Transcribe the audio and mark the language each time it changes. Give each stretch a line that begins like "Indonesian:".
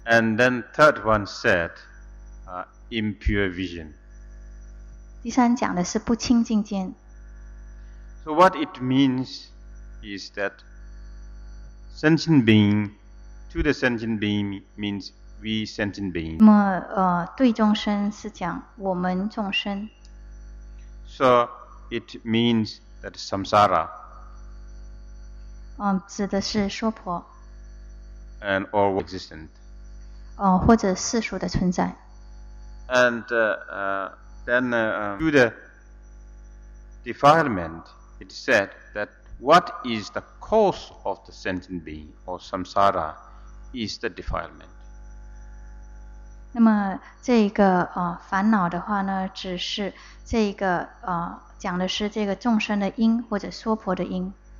English: And then third one said, impure vision.
Chinese: 第三讲的是不清净见。
English: So what it means is that sentient being to the sentient being means we sentient being.
Chinese: 那么对众生是讲我们众生。
English: So it means that samsara.
Chinese: 指的是娑婆。
English: And all existent.
Chinese: 或者世俗的存在。
English: And then the defilement, it said that what is the cause of the sentient being or samsara is the defilement.
Chinese: 那么这个烦恼的话呢，只是这个讲的是这个众生的因或者娑婆的因。